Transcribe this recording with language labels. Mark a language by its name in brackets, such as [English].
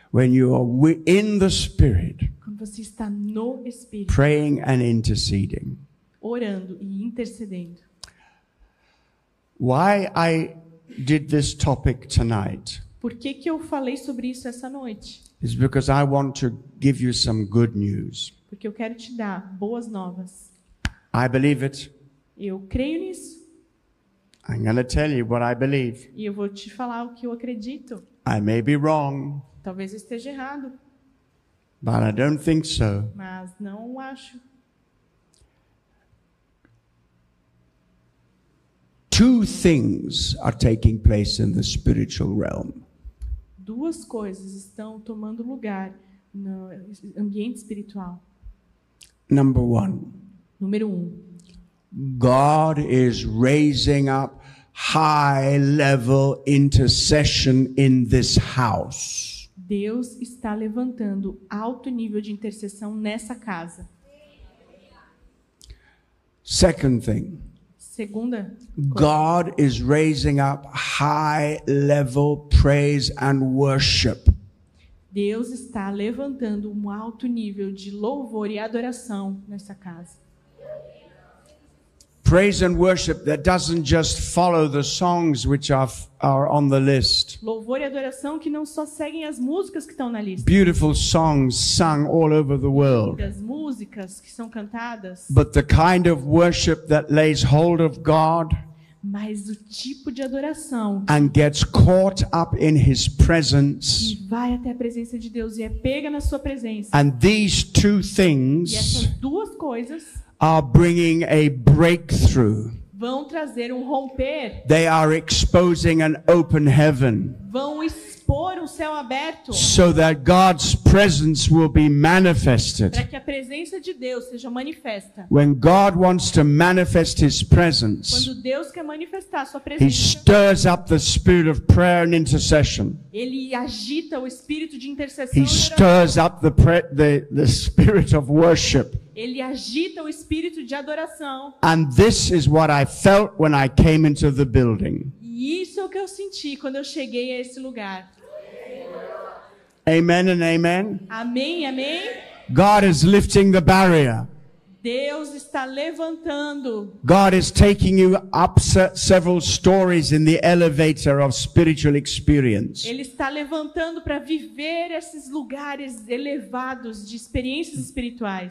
[English] When you are in the Spirit. [Portuguese] Quando você está no Espírito. [English] Praying and interceding. [Portuguese] Orando e intercedendo. [English] Why I did this topic tonight. [Portuguese] Por que que eu falei sobre isso essa noite? [English] It's because I want to give you some good news. [Portuguese] Porque eu quero te dar boas novas. [English] I believe it. [Portuguese] Eu creio nisso. [English] I'm going to tell you what I believe. [Portuguese] E eu vou te falar o que eu acredito. [English] I may be wrong. [Portuguese] Talvez eu esteja errado. [English] But I don't think so. [Portuguese] Mas não acho. [English] Two things are taking place in the spiritual realm. [Portuguese] Duas coisas estão tomando lugar no ambiente espiritual. [English] Number one. [Portuguese] Número um. [English] God is raising up high level intercession in this house. [Portuguese] Deus está levantando alto nível de intercessão nessa casa. [English] Second thing. [Portuguese] Segunda. [English] God is raising up high level praise and worship. [Portuguese] Deus está levantando um alto nível de louvor e adoração nessa casa. [English] Praise and worship that doesn't just follow the songs which are on the list. [Portuguese] Louvor e adoração que não só seguem as músicas que estão na lista. [English] Beautiful songs sung all over the world. [Portuguese] As músicas que são cantadas. [English] But the kind of worship that lays hold of God. [Portuguese] Mas o tipo de adoração. [English] And gets caught up in His presence. [Portuguese] E vai até a presença de Deus e é pega na sua presença. [English] And these two things. [Portuguese] E essas duas coisas. [English] Are bringing a breakthrough. [Portuguese] Vão trazer um romper. [English] They are exposing an open heaven. [Portuguese] Vão expor um céu aberto. [English] So that God's presence will be manifested. [Portuguese] Para que a presença de Deus seja manifesta. [English] When God wants to manifest His presence. [Portuguese] Quando Deus quer manifestar sua presença. [English] He stirs up the spirit of prayer and intercession. [Portuguese] Ele agita o espírito de intercessão. [English] He stirs up the spirit of worship. [Portuguese] Ele agita o espírito de adoração. [English] And this is what I felt when I came into the building. [Portuguese] Isso é o que eu senti quando eu cheguei a esse lugar. [English] Amen and amen. [Portuguese] Amém, amém. [English] God is lifting the barrier. [Portuguese] Deus está levantando. [English] God is taking you up several stories in the elevator of spiritual experience. [Portuguese] Ele está levantando para viver esses lugares elevados de experiências espirituais.